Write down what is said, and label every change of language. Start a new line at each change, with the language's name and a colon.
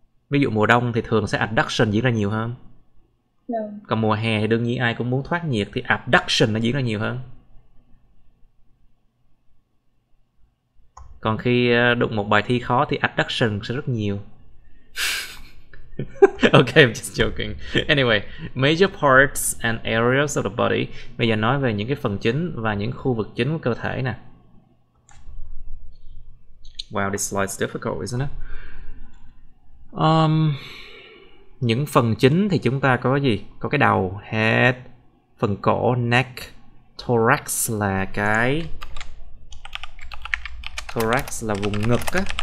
Vietnamese: Ví dụ mùa đông thì thường sẽ adduction diễn ra nhiều hơn. Còn mùa hè thì đương nhiên ai cũng muốn thoát nhiệt thì abduction nó diễn ra nhiều hơn. Còn khi đụng một bài thi khó thì abduction sẽ rất nhiều.
English: Ok, I'm just joking. Anyway, major parts and areas of the body.
Vietnamese: Bây giờ nói về những cái phần chính và những khu vực chính của cơ thể nè.
English: Wow, this slide's difficult, isn't it?
Vietnamese: Những phần chính thì chúng ta có gì? Có cái đầu, head, phần cổ, neck, thorax là cái thorax là vùng ngực á.